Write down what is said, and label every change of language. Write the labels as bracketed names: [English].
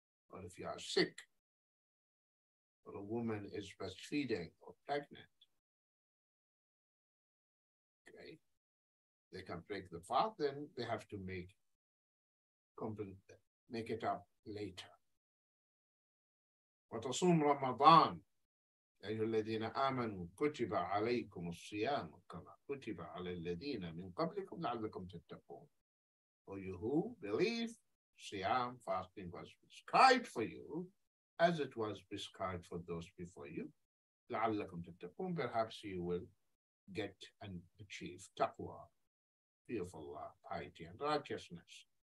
[English] Or if you are sick, or a woman is breastfeeding or pregnant, okay, they can break the fast, then they have to make it up later. [Arabic] وتصوم رمضان أيها الذين آمنوا كتب عليكم الصيام كما كتب على الذين من قبلكم لعلكم تتقون. [English] For you who believe, siyam, fasting, was prescribed for you as it was prescribed for those before you. [Arabic] لَعَلَّكُمْ تَتَّقُونَ. [English] Perhaps you will get and achieve taqwa, fear of Allah, piety and righteousness.